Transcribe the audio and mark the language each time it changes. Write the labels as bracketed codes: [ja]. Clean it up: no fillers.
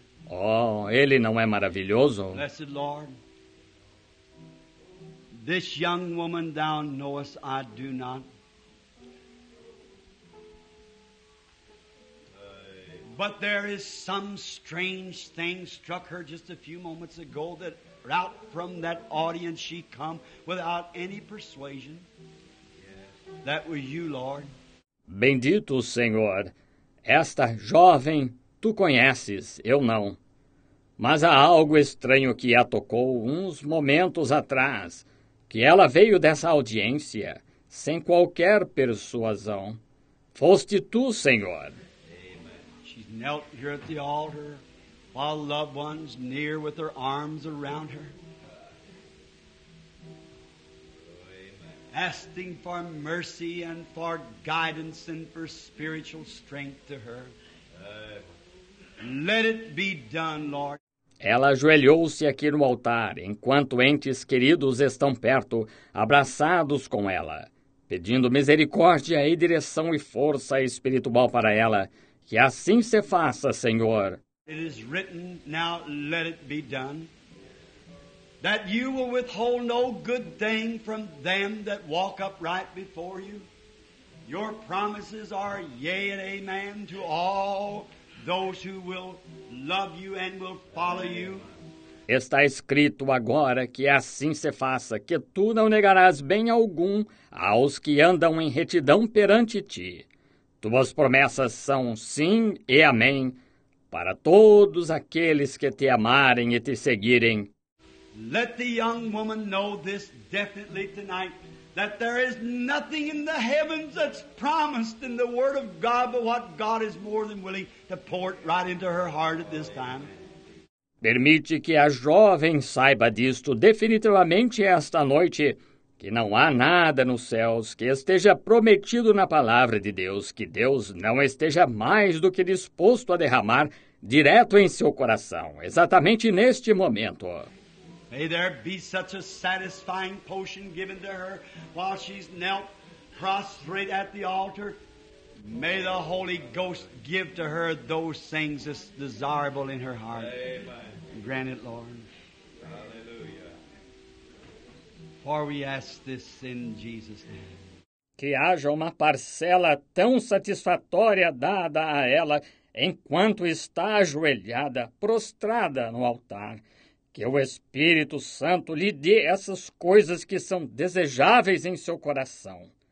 [pt] Oh, ele não é maravilhoso? [en] Blessed Lord, this young woman thou knowest, I do not. But there is some strange thing struck her just a few moments ago that out from that audience she come without any persuasion. That was you, Lord. [pt] Bendito Senhor, esta jovem tu conheces, eu não. Mas há algo estranho que a tocou uns momentos atrás, que ela veio dessa audiência sem qualquer persuasão. Foste tu, Senhor. [en] She's knelt here at the altar, while loved ones near with their arms around her, asking for mercy and for guidance and for spiritual strength to her. Let it be done, Lord. [pt] Ela ajoelhou-se aqui no altar, enquanto entes queridos estão perto, abraçados com ela, pedindo misericórdia e direção e força espiritual para ela. Que assim se faça, Senhor. [en] It is written, now let it be done, that you will withhold no good thing from them that walk upright before you. Your promises are yea and amen to all those who will love you and will follow you. [pt] Está escrito agora que assim se faça, que tu não negarás bem algum aos que andam em retidão perante ti. Tuas promessas são sim e amém para todos aqueles que te amarem e te seguirem. [en] Let the young woman know this definitely tonight, that there is nothing in the heavens that's promised in the word of God, but what God is more than willing to pour right into her heart at this time. [pt] Permite que a jovem saiba disto definitivamente esta noite, que não há nada nos céus que esteja prometido na palavra de Deus, que Deus não esteja mais do que disposto a derramar direto em seu coração, exatamente neste momento. [en] May there be such a satisfying potion given to her while she's knelt prostrate at the altar, May the Holy Ghost give to her those things that's desirable in her heart. Amen. Grant it, Lord. Hallelujah. For we ask this in Jesus' name. [pt] Que haja uma parcela tão satisfatória dada a ela enquanto está ajoelhada, prostrada no altar. Que o Espírito Santo lhe dê essas coisas que são desejáveis em seu coração.